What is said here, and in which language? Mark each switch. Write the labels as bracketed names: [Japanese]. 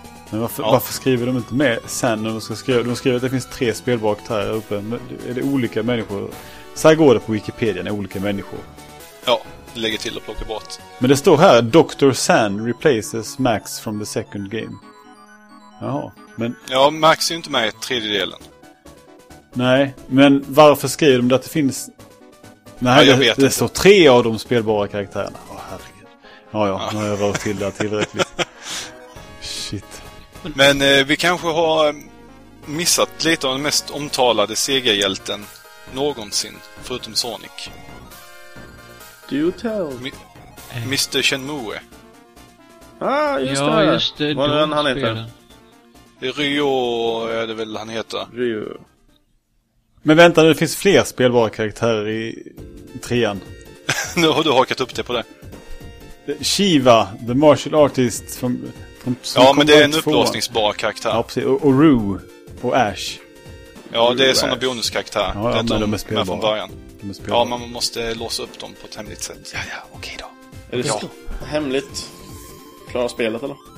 [Swedish] Men varför skriver de inte med San när de ska skriva? De skriver att det finns tre spelbara karaktärer uppe. Är det olika människor? Så här går det på Wikipedia, är olika människor. Ja, lägger till och plockar bort. Men det står här, Dr. [English] San replaces Max from the second game. [Swedish] Jaha, men... Ja, Max är ju inte med i tredje delen. Nej, men varför skriver de att det finns... Nej, jag vet det står tre av de spelbara karaktärerna. Åh, herregud. Ja, nu har jag rört till det tillräckligt. Shit. Men vi kanske har missat lite av den mest omtalade segerhjälten någonsin, förutom Sonic. [English] Do you tell? Mr. Shenmue. [Swedish] Just det. Vad är den han heter? Ryo är det väl han heter. Ryo. Men vänta, det finns fler spelbara karaktärer i trean. Nu har du hakat upp det på det. [English] Shiva, the martial artist from [Swedish] ja, men det är en upplåsningsbar karaktär. Ja, precis. Och Rue och Ash. Ja, det är sådana bonuskaraktärer. Ja, men de är spelbara. Från början. Ja, men man måste låsa upp dem på ett hemligt sätt. Ja, okej då. Är det hemligt? Klara spelet, eller?